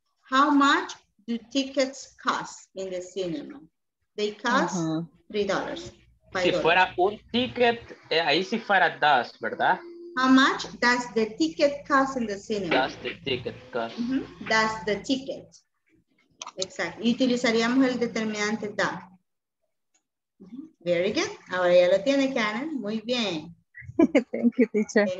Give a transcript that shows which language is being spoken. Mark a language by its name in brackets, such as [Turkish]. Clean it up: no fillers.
[English] How much do tickets cost in the cinema? They cost $3. [Spanish] Si fuera un ticket, ahí sí fuera dos, ¿verdad? [English] How much does the ticket cost in the cinema? Does the ticket cost. Mm-hmm. Does the ticket. Exacto. [Spanish] Y utilizaríamos el determinante da. [English] Very good. [Spanish] Ahora ya lo tiene, Karen. Muy bien. [English] Thank you, teacher.